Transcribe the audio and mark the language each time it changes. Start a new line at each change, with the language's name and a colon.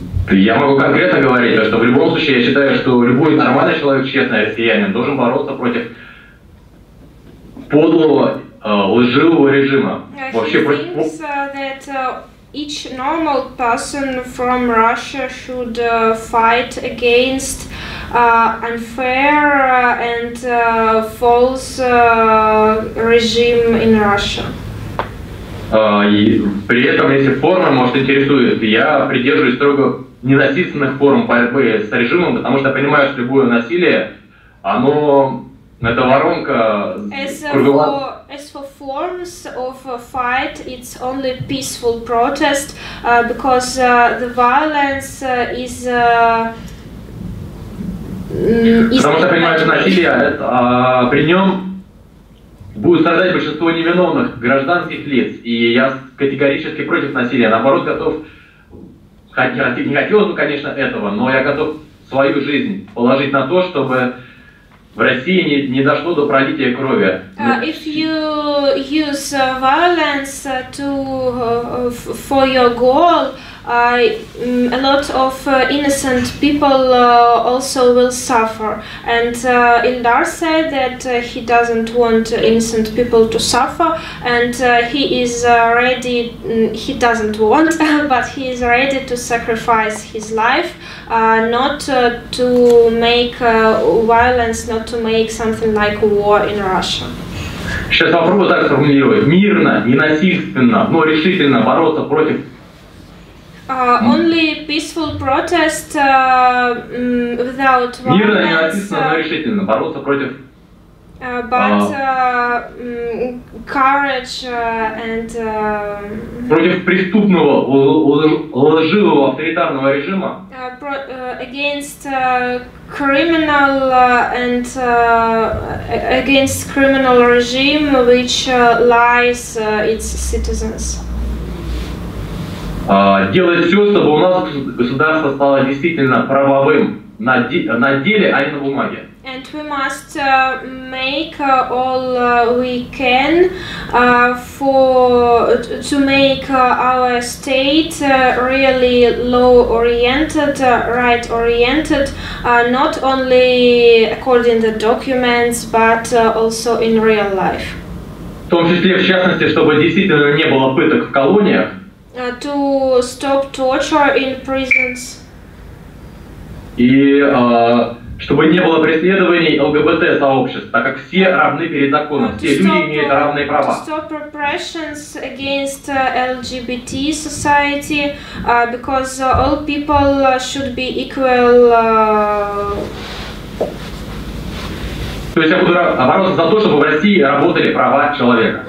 Russian: Я могу конкретно говорить, что в любом случае я считаю, что любой нормальный человек, честный россиянин, должен бороться против подлого, лживого режима. Вообще против...
English: that each normal person from Russia should fight against unfair and false regime in Russia.
Russian: И при этом, если форма, может, интересует, я придерживаюсь строго ненасильственных форм борьбы с режимом, потому что я понимаю, что любое насилие, оно, это воронка кругового...
English: As for forms of fight, it's only peaceful protest, because the violence is...
Russian: Потому что я понимаю, что насилие, при нем... Будут страдать большинство невиновных гражданских лиц, и я категорически против насилия, наоборот, готов, не хотелось бы, конечно, этого, но я готов свою жизнь положить на то, чтобы в России не дошло до пролития крови.
English: If you use violence to for your goal, a lot of innocent people also will suffer. And Ildar said that he doesn't want innocent people to suffer, and he is ready. He doesn't want, but he is ready to sacrifice his life, not to make violence, not to make something like war in Russia.
Russian: Сейчас попробую так сформулировать. Мирно, ненасильственно, но решительно бороться против...
English: Only peaceful protest without violence...
Russian: Мирно, ненасильственно, но решительно бороться против...
English: But courage and...
Russian: Против преступного, лживого, авторитарного режима.
English: Against criminal and against criminal regime which lies its citizens.
Russian: Делать все, чтобы у нас государство стало действительно правовым на деле, а не на бумаге.
English: And we must make all we can for to make our state really law-oriented, right-oriented, not only according to the documents, but also in real life.
Russian: В том числе, в частности, чтобы действительно не было пыток в колониях.
English: To stop torture in prisons.
Russian: И чтобы не было преследований ЛГБТ-сообществ, так как все равны перед законом, все люди имеют равные права.
English: To stop repressions against LGBT society, because all people should be equal.
Russian: То есть я буду бороться за то, чтобы в России работали права человека.